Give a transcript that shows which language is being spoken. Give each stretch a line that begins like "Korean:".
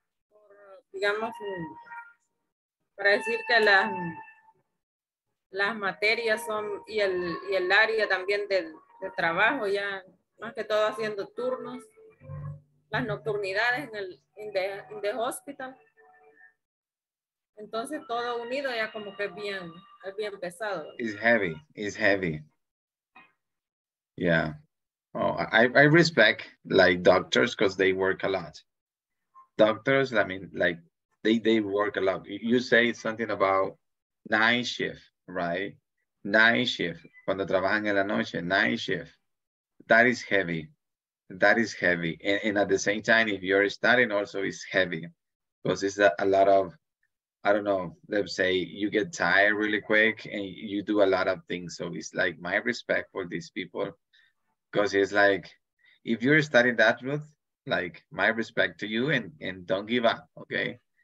Spanish: Por, digamos, para decir que las materias son, y el área también de trabajo, ya más que todo haciendo turnos, las nocturnidades en el hospital. Entonces todo unido ya como que es bien pesado.
English: It's heavy. Yeah. Oh, I respect like doctors because they work a lot. Doctors, I mean, like they work a lot. You say something about night shift, right? Night shift,
Spanish: cuando trabajan en la noche,
English: night shift. That is heavy. And at the same time, if you're studying also, it's heavy. Because it's a lot of, I don't know, let's say you get tired really quick and you do a lot of things. So it's like my respect for these people. Because it's like, if you're studying that route, like, my respect to you and don't give up, okay?